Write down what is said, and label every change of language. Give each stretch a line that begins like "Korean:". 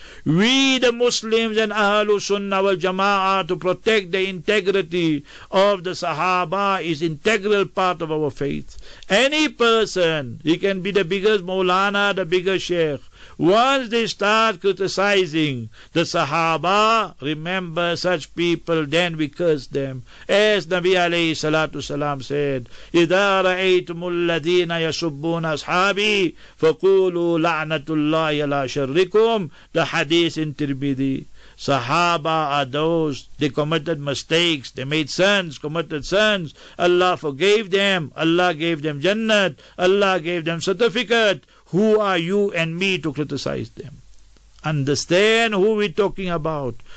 English: We the Muslims and Ahlul Sunnah wal Jama'ah to protect the integrity of the Sahaba is integral part of our faith. Any person, he can be the biggest Maulana, the biggest Sheikh. Once they start criticizing the Sahaba, remember such people, then we curse them. As Nabi alayhi salatu salam said,
Arabic: إِذَا رَأَيْتُمُ الَّذِينَ يَسُبُّونَ أَصْحَابِي فَقُولُوا لَعْنَةُ اللَّهِ عَلَىٰ شَرِّكُمْ.
English: The hadith in Tirmidhi. Sahaba are those, they committed mistakes, they made sins, committed sins. Allah forgave them, Allah gave them Jannat, Allah gave them certificate. Who are you and me to criticize them? Understand who we're talking about.